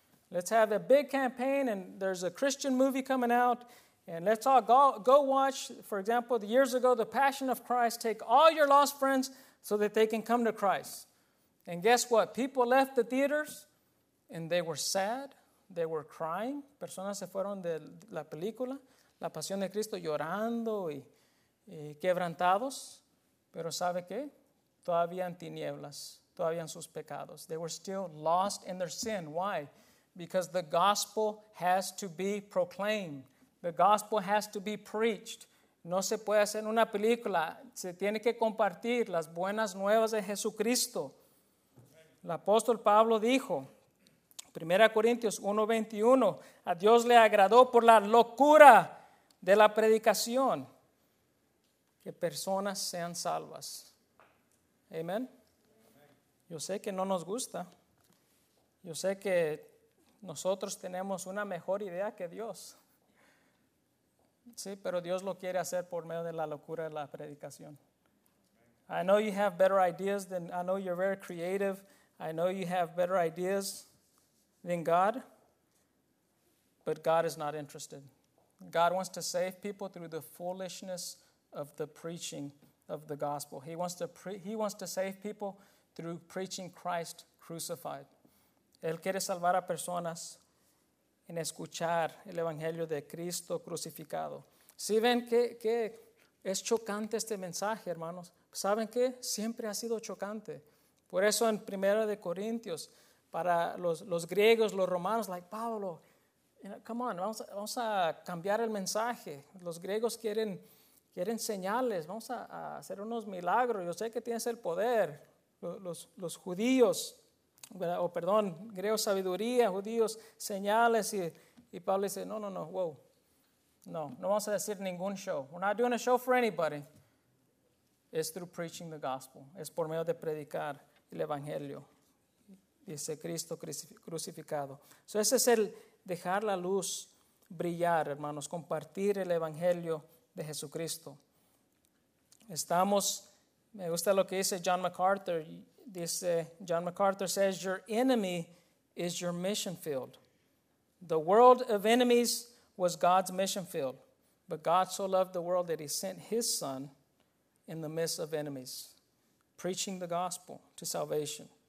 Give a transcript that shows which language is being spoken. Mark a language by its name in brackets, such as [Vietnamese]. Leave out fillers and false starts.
[English] Let's have a big campaign and there's a Christian movie coming out and let's all go watch, for example, the years ago, The Passion of Christ, take all your lost friends so that they can come to Christ. And guess what? People left the theaters and they were sad. They were crying. [Spanish] Personas se fueron de la película, La Pasión de Cristo, llorando y quebrantados. Pero ¿sabe qué? Todavía en tinieblas, todavía en sus pecados. [English] They were still lost in their sin. Why? Because the gospel has to be proclaimed. The gospel has to be preached. [Spanish] No se puede hacer una película. Se tiene que compartir las buenas nuevas de Jesucristo. El apóstol Pablo dijo, 1 Corintios 1:21, a Dios le agradó por la locura de la predicación, que personas sean salvas. Amén. Yo sé que no nos gusta. Yo sé que nosotros tenemos una mejor idea que Dios. Sí, pero Dios lo quiere hacer por medio de la locura de la predicación. [English] I know you have better ideas than, I know you're very creative. I know you have better ideas than God, but God is not interested. God wants to save people through the foolishness of the preaching of the gospel. He wants to save people through preaching Christ crucified. [Spanish] Él quiere salvar a personas en escuchar el evangelio de Cristo crucificado. Si ven que es chocante este mensaje, hermanos. ¿Saben qué? Siempre ha sido chocante. Por eso en 1 Corintios, para los griegos, los romanos, like, Pablo, come on, vamos a cambiar el mensaje. Los griegos quieren señales, vamos a hacer unos milagros. Yo sé que tienes el poder. Los judíos, griegos sabiduría, judíos señales. Y Pablo dice, no, whoa. No vamos a decir ningún show. [English] We're not doing a show for anybody. is through preaching the gospel. [Spanish] Es por medio de predicar el evangelio. Dice Cristo crucificado. So ese es el dejar la luz brillar, hermanos. Compartir el evangelio de Jesucristo. Estamos, me gusta lo que dice John MacArthur. [English] Dice, John MacArthur says, your enemy is your mission field. The world of enemies was God's mission field. But God so loved the world that he sent his son in the midst of enemies, preaching the gospel to salvation.